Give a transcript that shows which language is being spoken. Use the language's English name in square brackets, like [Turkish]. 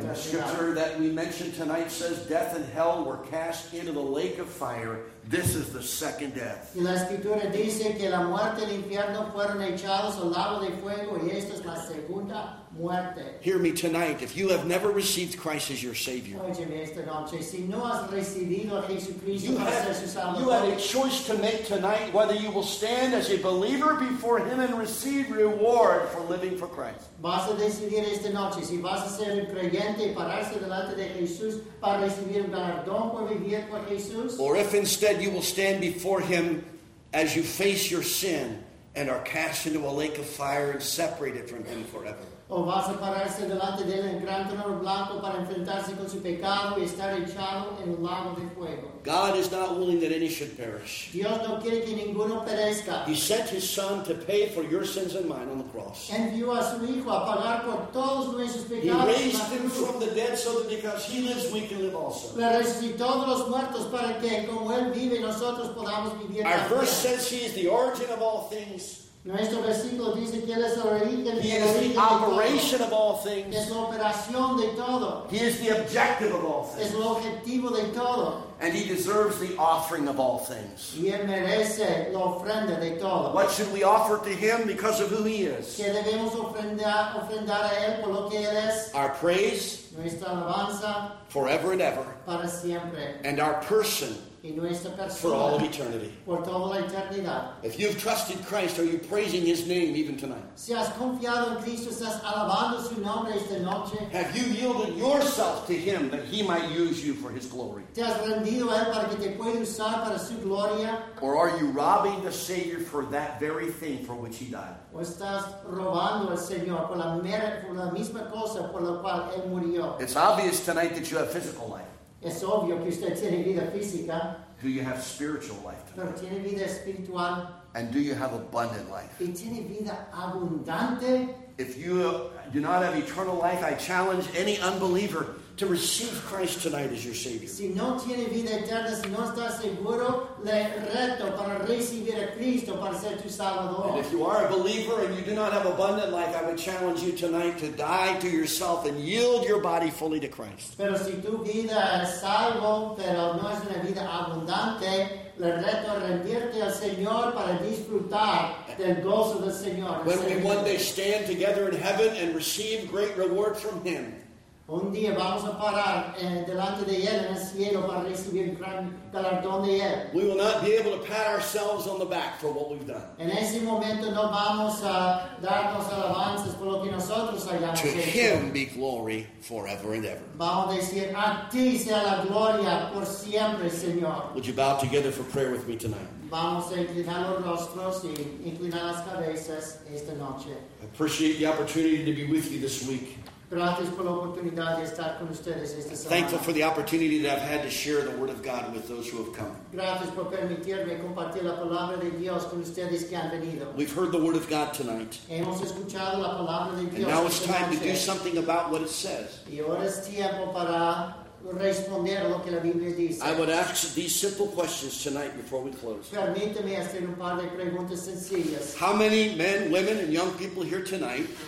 [English] And the scripture that we mentioned tonight says death and hell were cast into the lake of fire. This is the second death. [Spanish] Y la escritura dice que la muerte y el infierno fueron echados al lago de fuego y esta es la segunda muerte. [English] Hear me tonight. If you have never received Christ as your Savior, [Spanish] óyeme esta noche. Si no has recibido a Jesucristo para ser su Salvador, [English] you have a choice to make tonight whether you will stand as a believer before Him and receive reward for living for Christ. [Spanish] Vas a decidir esta noche si vas a ser un creyente y pararse delante de Jesús para recibir un galardón por vivir con Jesús. [English] Or if instead you will stand before Him as you face your sin and are cast into a lake of fire and separated from Him forever. [Spanish] O vas a pararse delante de él en gran trono blanco para enfrentarse con su pecado y estar echado en un lago de fuego. [English] God is not willing that any should perish. [Spanish] Dios no quiere que ninguno perezca. [English] He sent His Son to pay for your sins and mine on the cross. [Spanish] Envió a su Hijo a pagar por todos nuestros pecados. [English] He raised Him from the dead so that because He lives, we can live also. [Spanish] Le resucitó de los muertos para que como Él vive, nosotros podamos vivir también. [English] Our verse says He is the origin of all things. [Spanish] Nuestro versículo dice que Él es el origen, [English] He is the operation of all things. [Spanish] Es la operación de todo. [English] He is the objective of all things. [Spanish] Es el objetivo de todo. [English] And He deserves the offering of all things. [Spanish] Y Él merece la ofrenda de todo. [English] What should we offer to Him because of who He is? [Spanish] ¿Qué debemos ofrendar a Él por lo que Él es? [English] Our praise. [Spanish] Nuestra alabanza. [English] Forever and ever. [Spanish] Para siempre. [English] And our person. For all of eternity. [Spanish] Por toda la eternidad. [English] If you've trusted Christ, are you praising His name even tonight? [Spanish] Si has confiado en Cristo, estás alabando su nombre esta noche. [English] Have you yielded yourself to Him that He might use you for His glory? [Spanish] ¿Te has rendido a Él para que te pueda usar para su gloria? [English] Or are you robbing the Savior for that very thing for which He died? [Spanish] ¿O estás robando al Señor por la misma cosa por la cual Él murió? [English] It's obvious tonight that you have physical life. [Spanish] Es obvio que usted tiene vida física. [English] Do you have spiritual life? [Spanish] Pero tiene vida espiritual. [English] And do you have abundant life? [Spanish] Y tiene vida abundante. [English] If you do not have eternal life, I challenge any unbeliever to receive Christ tonight as your Savior. [Spanish] Si no tiene vida eterna, si no está seguro, le reto para recibir a Cristo para ser tu Salvador. [English] And if you are a believer and you do not have abundant life, I would challenge you tonight to die to yourself and yield your body fully to Christ. [Spanish] Pero si tu vida es salvo, pero no es una vida abundante, le reto a rendirte al Señor para disfrutar del gozo del Señor. [English] When we one day stand together in heaven and receive great reward from Him, [Spanish] un día vamos a parar delante de Él en el cielo para recibir el gran galardón de Él. [English] We will not be able to pat ourselves on the back for what we've done. [Spanish] En ese momento no vamos a darnos alabanzas por lo que nosotros hayamos hecho. [English] To Him be glory forever and ever. [Spanish] Vamos a decir, a Ti sea la gloria por siempre, Señor. [English] Would you bow together for prayer with me tonight? [Spanish] Vamos a inclinar los rostros y inclinar las cabezas esta noche. [English] I appreciate the opportunity to be with you this week. [Spanish] Gracias por la oportunidad de estar con ustedes esta semana. [English] Thankful for the opportunity that I've had to share the Word of God with those who have come. [Spanish] Gracias por permitirme compartir la palabra de Dios con ustedes que han venido. [English] We've heard the Word of God tonight. [Spanish] Hemos escuchado la palabra de Dios. [English] And now it's time to do something about what it says. [Spanish] Y ahora es tiempo para responder lo que la Biblia dice. [English] I would ask these simple questions tonight before we close. [Spanish] Permíteme hacer un par de preguntas sencillas. [English] How many men, women, and young people here tonight?